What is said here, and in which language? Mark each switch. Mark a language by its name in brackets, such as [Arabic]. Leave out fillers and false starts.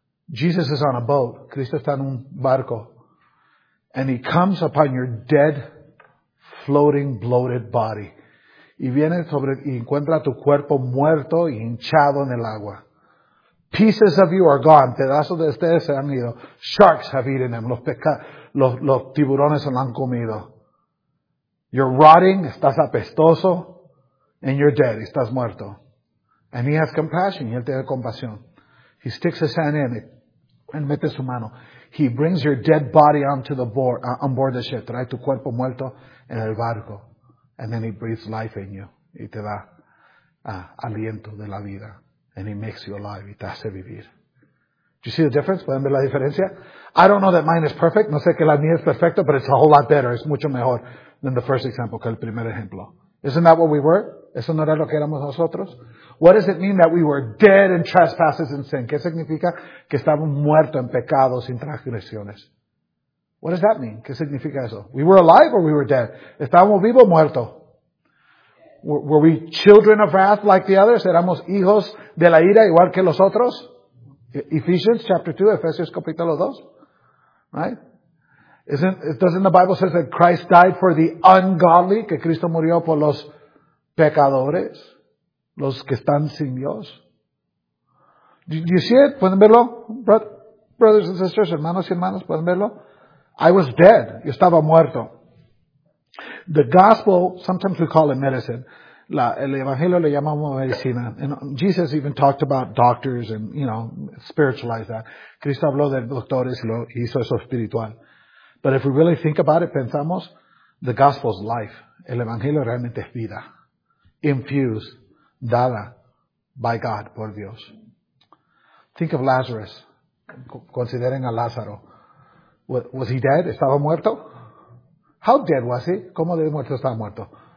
[English] Jesus is on a boat, [Spanish] Cristo está en un barco, [English] and he comes upon your dead, floating, bloated body. [Spanish] Y viene sobre, y encuentra tu cuerpo muerto y hinchado en el agua. [English] Pieces of you are gone. [Spanish] Pedazos de ustedes se han ido. [English] Sharks have eaten them. [Spanish] Los tiburones se lo han comido. [English] You're rotting. [Spanish] Estás apestoso. [English] And you're dead. [Spanish] Estás muerto. [English] And he has compassion. [Spanish] Y él tiene compasión. [English] He sticks his hand in it. And [Spanish] mete su mano. [English] He brings your dead body onto the board, on board the ship. [Spanish] Trae tu cuerpo muerto en el barco. [English] And then he breathes life in you. [Spanish] Y te da aliento de la vida. [English] And he makes you alive. [Spanish] Y te hace vivir. [English] Do you see the difference? [Spanish] ¿Pueden ver la diferencia? [English] I don't know that mine is perfect. [Spanish] No sé que la mía es perfecta, [English] but it's a whole lot better. [Spanish] Es mucho mejor [English] than the first example, [Spanish] que el primer ejemplo. [English] Isn't that what we were? [Spanish] ¿Eso no era lo que éramos nosotros? [English] What does it mean that we were dead in trespasses and sin? [Spanish] ¿Qué significa que estábamos muertos en pecados y transgresiones? [English] What does that mean? [Spanish] ¿Qué significa eso? [English] We were alive or we were dead? [Spanish] ¿Estábamos vivos o muertos? [English] Were we children of wrath like the others? [Spanish] ¿Éramos hijos de la ira igual que los otros? [English] Ephesians chapter 2, [Spanish] Efesios capítulo 2. [English] Right? Doesn't the Bible say that Christ died for the ungodly, [Spanish] que Cristo murió por los pecadores, los que están sin Dios? [English] Do you see it? [Spanish] ¿Pueden verlo? [English] Brothers and sisters, [Spanish] hermanos y hermanas, ¿pueden verlo? [English] I was dead. [Spanish] Yo estaba muerto. [English] The gospel, sometimes we call it medicine. [Spanish] El evangelio le llamamos medicina. [English] And Jesus even talked about doctors and, you know, spiritualized that. [Spanish] Cristo habló de doctores y lo hizo eso espiritual. [English] But if we really think about it, pensamos, the gospel is life. [Spanish] El evangelio realmente es vida. Infused, dada by God, por Dios. [English] Think of Lazarus. [Spanish] Consideren a Lázaro. [English] Was he dead? [Spanish] ¿Estaba muerto? [English] How dead was he? [Spanish] ¿Cómo de muerto estaba muerto?